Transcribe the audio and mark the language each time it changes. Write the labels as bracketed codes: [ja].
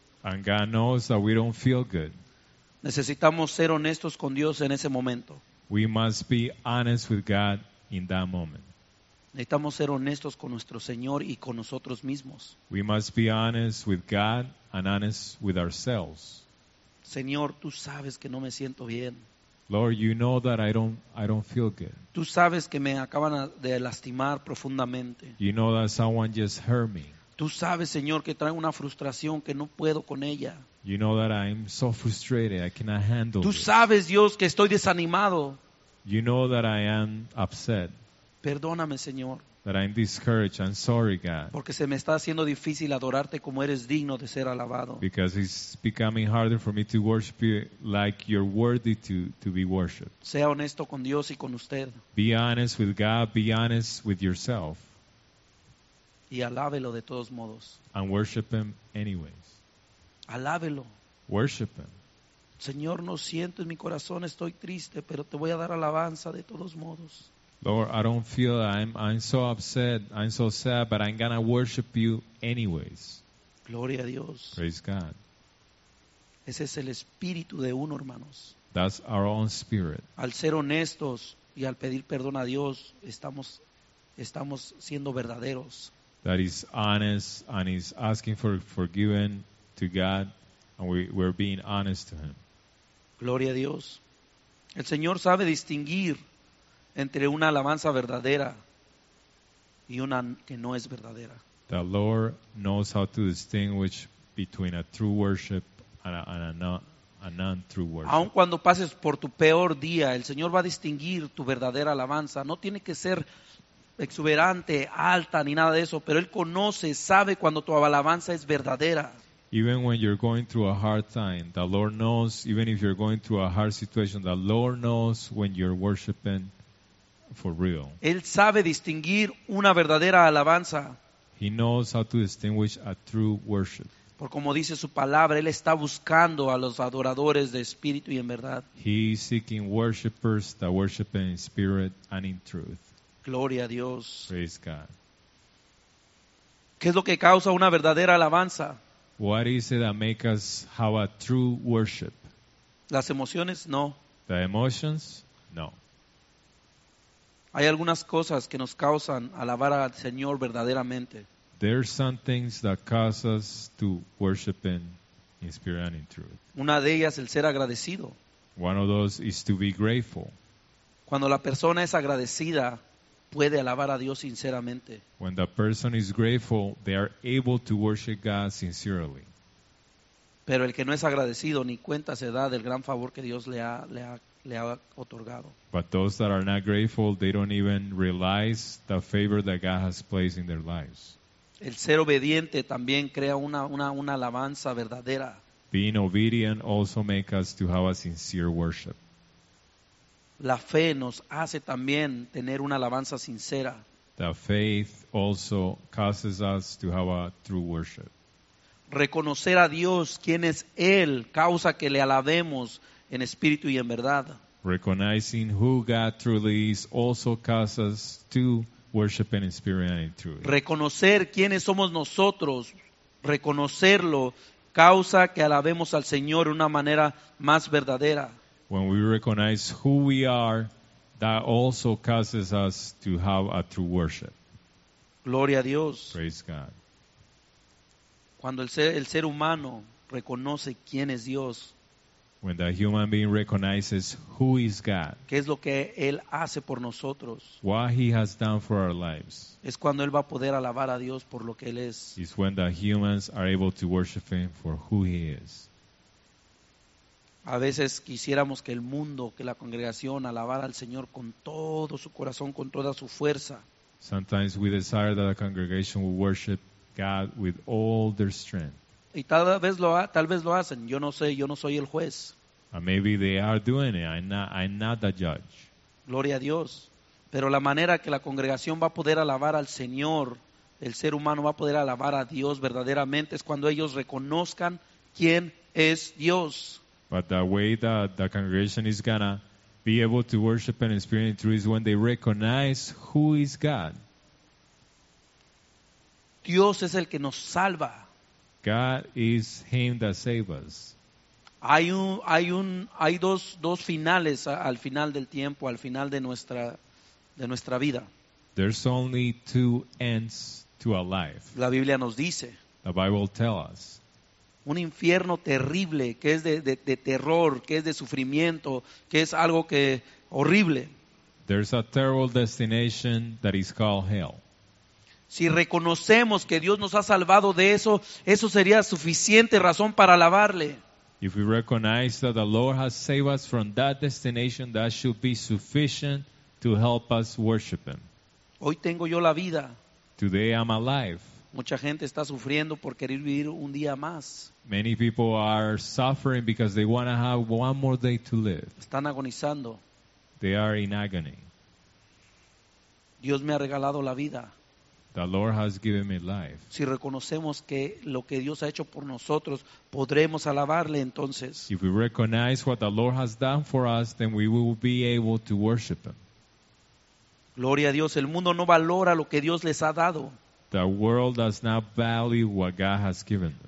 [en] And God knows that we don't feel good. [es] Necesitamos ser honestos con Dios en ese momento. [en] We must be honest with God in that moment. [es] Necesitamos ser honestos con nuestro Señor y con nosotros mismos. [en] We must be honest with God and honest with ourselves. [es] Señor, tú sabes que no me siento bien. [en] Lord, you know that I don't feel good. [es] Tú sabes que me acaban de lastimar profundamente. [en] You know that someone just hurt me. [es] Tú sabes, Señor, que traigo una frustración que no puedo con ella. [en] You know that I'm so frustrated, I cannot handle it. [es] Tú sabes, Dios, que estoy desanimado. [en] You know that I am upset. [es] Perdóname, Señor. [en] That I'm discouraged, I'm sorry, God. [es] Porque se me está haciendo difícil adorarte como eres digno de ser alabado. [en] Because it's becoming harder for me to worship you like you're worthy to be worshipped. [es] Sea honesto con Dios y con usted. [en] Be honest with God, be honest with yourself. [es] Y alábelo de todos modos. [en] And worship Him anyways. [es] Alábelo. [en] Worship Him. [es] Señor, no siento en mi corazón, estoy triste, pero te voy a dar alabanza de todos modos. [en] Lord, I don't feel that. I'm so upset, I'm so sad, but I'm gonna worship You anyways. [es] Gloria a Dios. [en] Praise God. [es] Ese es el espíritu de uno, hermanos. [en] That's our own spirit. [es] Al ser honestos y al pedir perdón a Dios, estamos siendo verdaderos. [en] that is honest and is asking for forgiving to God, and we're being honest to Him. [es] Gloria a Dios. El Señor sabe distinguir entre una alabanza verdadera y una que no es verdadera. [en] The Lord knows how to distinguish between a true worship and a non-true worship. [es] Aun cuando pases por tu peor día, el Señor va a distinguir tu verdadera alabanza. No tiene que ser exuberante, alta, ni nada de eso, pero Él conoce, sabe cuando tu alabanza es verdadera. [en] Even when you're going through a hard time, the Lord knows, even if you're going through a hard situation, the Lord knows when you're worshiping for real. [es] Él sabe distinguir una verdadera alabanza. [en] He knows how to distinguish a true worship. [es] Por como dice su palabra, Él está buscando a los adoradores de espíritu y en verdad. [en] He is seeking worshipers that worship in spirit and in truth. [es] Gloria a Dios. [en] Praise God. [es] ¿Qué es lo que causa una verdadera alabanza? [en] What is it that makes us have a true worship? [es] Las emociones, no. [en] The emotions, no. [es] Hay algunas cosas que nos causan alabar al Señor verdaderamente. [en] There are some things that cause us to worship Him in spirit and in truth. [es] Una de ellas, el ser agradecido. [en] One of those is to be grateful. [es] Cuando la persona es agradecida, puede alabar a Dios sinceramente. [en] When the person is grateful, they are able to worship God sincerely. [es] Pero el que no es agradecido ni cuenta se da del gran favor que Dios le ha otorgado. [en] But those that are not grateful, they don't even realize the favor that God has placed in their lives. [es] El ser obediente también crea una alabanza verdadera. [en] Being obedient also makes us to have a sincere worship. [es] La fe nos hace también tener una alabanza sincera. [en] The faith also causes us to have a true worship. [es] Reconocer a Dios, quién es Él, causa que le alabemos en espíritu y en verdad. [en] Recognizing who God truly is also causes us to worship in spirit and in truth. [es] Reconocer quiénes somos nosotros, reconocerlo, causa que alabemos al Señor de una manera más verdadera. [en] When we recognize who we are, that also causes us to have a true worship. [es] Gloria a Dios. [en] Praise God. [es] Cuando el ser humano reconoce quién es Dios. [en] When the human being recognizes who is God. [es] ¿Qué es lo que Él hace por nosotros? [en] What He has done for our lives. [es] Es cuando Él va a poder alabar a Dios por lo que Él es. [en] It's when the humans are able to worship Him for who He is. [es] A veces quisiéramos que el mundo, que la congregación alabara al Señor con todo su corazón, con toda su fuerza. [en] Sometimes we desire that a congregation will worship God with all their strength. [es] Y tal vez lo hacen. Yo no sé, yo no soy el juez. [en] And maybe they are doing it. I'm not the judge. [es] Gloria a Dios. Pero la manera que la congregación va a poder alabar al Señor, el ser humano va a poder alabar a Dios verdaderamente, es cuando ellos reconozcan quién es Dios. [en] But the way that the congregation is going to be able to worship and experience through is when they recognize who is God. [es] Dios es el que nos salva. [en] God is Him that saves us. [es] Hay dos finales al final del tiempo, al final de nuestra vida. [en] There's only two ends to a life. [es] La Biblia nos dice. [en] The Bible tells us. [es] Un infierno terrible, que es de terror, que es de sufrimiento, que es algo que horrible. [en] There's a terrible destination that is called hell. [es] Si reconocemos que Dios nos ha salvado de eso, eso sería suficiente razón para alabarle. [en] If we recognize that the Lord has saved us from that destination, that should be sufficient to help us worship Him. [es] Hoy tengo yo la vida. [en] Today I'm alive. [es] Mucha gente está sufriendo por querer vivir un día más. [en] Many people are suffering because they want to have one more day to live. [es] Están agonizando. [en] They are in agony. [es] Dios me ha regalado la vida. [en] The Lord has given me life. [es] Si reconocemos que lo que Dios ha hecho por nosotros, podremos alabarle entonces. [en] If we recognize what the Lord has done for us, then we will be able to worship Him. [es] Gloria a Dios. El mundo no valora lo que Dios les ha dado. [en] The world does not value what God has given them.